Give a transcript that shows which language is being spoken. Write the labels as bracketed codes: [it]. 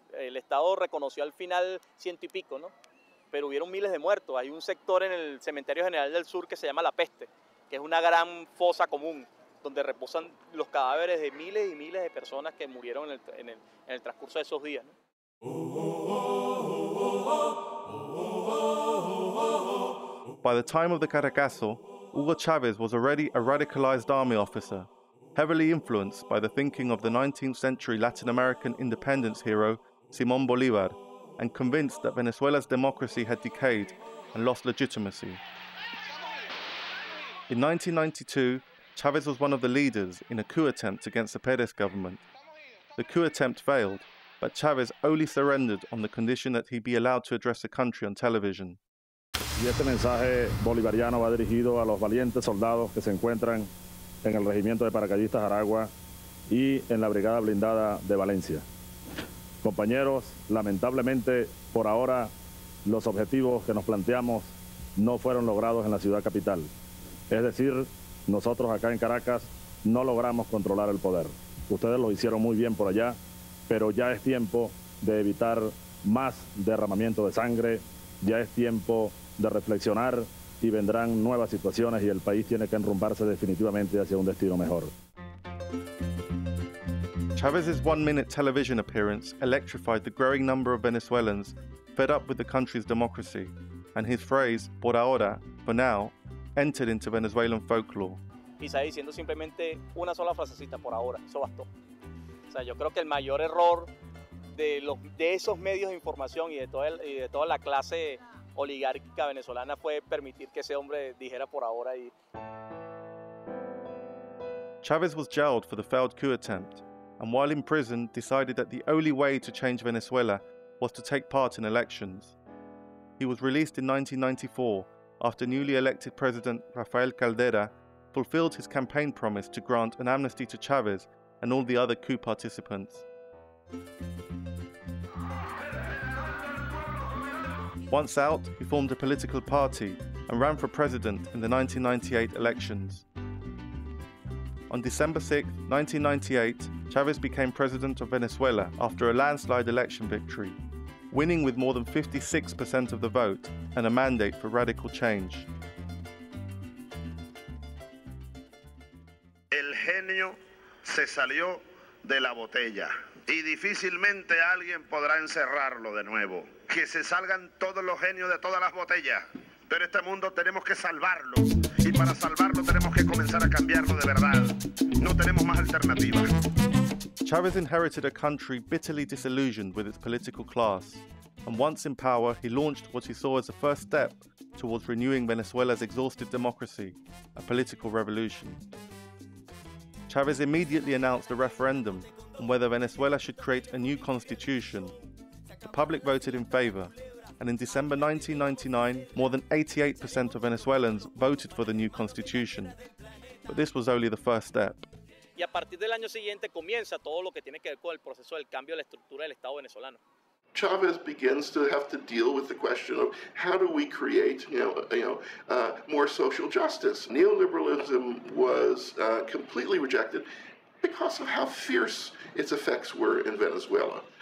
[es] El Estado reconoció al final ciento y pico, ¿no? Pero hubieron miles de muertos. Hay un sector en el Cementerio General del Sur que se llama La Peste, que es una gran fosa común donde reposan los cadáveres de miles y miles de personas que murieron en el transcurso de esos días, ¿no? [en] By the time of the Caracazo, Hugo Chavez was already a radicalized army officer, heavily influenced by the thinking of the 19th century Latin American independence hero Simón Bolívar, and convinced that Venezuela's democracy had decayed and lost legitimacy. In 1992, Chavez was one of the leaders in a coup attempt against the Pérez government. The coup attempt failed, but Chavez only surrendered on the condition that he be allowed to address the country on television. [es] Y este mensaje bolivariano va dirigido a los valientes soldados que se encuentran en el regimiento de paracaidistas Aragua y en la brigada blindada de Valencia. Compañeros, lamentablemente por ahora los objetivos que nos planteamos no fueron logrados en la ciudad capital. Es decir, nosotros acá en Caracas no logramos controlar el poder. Ustedes lo hicieron muy bien por allá, pero ya es tiempo de evitar más derramamiento de sangre, ya es tiempo de reflexionar y vendrán nuevas situaciones y el país tiene que enrumbarse definitivamente hacia un destino mejor. [en] Chavez's one-minute television appearance electrified the growing number of Venezuelans fed up with the country's democracy, and his phrase, [es] por ahora, [en] for now, entered into Venezuelan folklore. [es] Quizá diciendo simplemente una sola frasecita, por ahora, eso bastó. O sea, yo creo que el mayor error de esos medios de información y de toda la clase oligárquica venezolana fue permitir que ese hombre dijera por ahora. Y [en] Chavez was jailed for the failed coup attempt, and while in prison decided that the only way to change Venezuela was to take part in elections. He was released in 1994, after newly elected President Rafael Caldera fulfilled his campaign promise to grant an amnesty to Chavez and all the other coup participants. Once out, he formed a political party and ran for president in the 1998 elections. On December 6, 1998, Chavez became president of Venezuela after a landslide election victory, winning with more than 56% of the vote and a mandate for radical change. [es] El genio se salió de la botella y difícilmente alguien podrá encerrarlo de nuevo. Que se salgan todos los genios de todas las botellas, pero este mundo tenemos que salvarlo y para salvarlo tenemos que comenzar a cambiarlo de verdad. No tenemos más alternativa. [en] Chavez inherited a country bitterly disillusioned with its political class, and once in power, he launched what he saw as the first step towards renewing Venezuela's exhausted democracy, a political revolution. Chavez immediately announced a referendum on whether Venezuela should create a new constitution. The public voted in favor, and in December 1999, more than 88% of Venezuelans voted for the new constitution. But this was only the first step. [es] Y a partir del año siguiente comienza todo lo que tiene que ver con el proceso del cambio de la estructura del Estado venezolano. [en] Chavez begins to have to deal with the question of how do we create, more social justice. Neoliberalism was completely rejected because of how fierce its effects were in Venezuela.